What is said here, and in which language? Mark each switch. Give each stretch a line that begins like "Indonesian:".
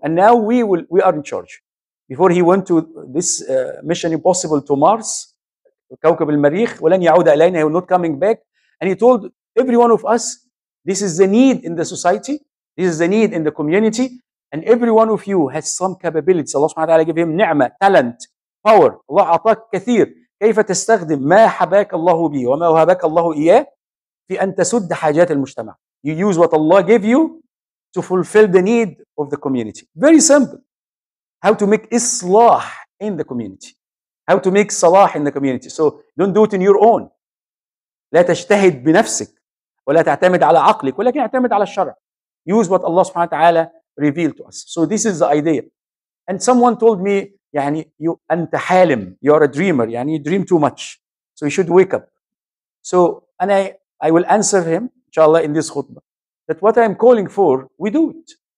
English: And now we are in charge. Before he went to this mission impossible to Mars, Kawkab al-Mariikh,
Arabic: ولن يعود إلينا,
English: he was not coming back. And he told every one of us, this is the need in the society, this is the need in the community. And every one of you has some capabilities. Allah subhanahu wa ta'ala gave him ni'ma, talent, power.
Arabic: Allah أعطاك كثير. كيف تستخدم ما حباك الله به وما وهبك الله إياه في أن تسد حاجات المجتمع.
English: You use what Allah gave you to fulfill the need of the community. Very simple. How to make islah in the community. How to make salah in the community. So don't do it in your own.
Arabic: لا تجتهد بنفسك ولا تعتمد على عقلك ولكن اعتمد على الشرع.
English: Use what Allah subhanahu wa ta'ala revealed to us. So this is the idea. And someone told me, يعني, you, أنت حالم, you are a dreamer, يعني, you dream too much. So you should wake up. So and I will answer him, inshallah, in this khutbah, that what I'm calling for, we do it.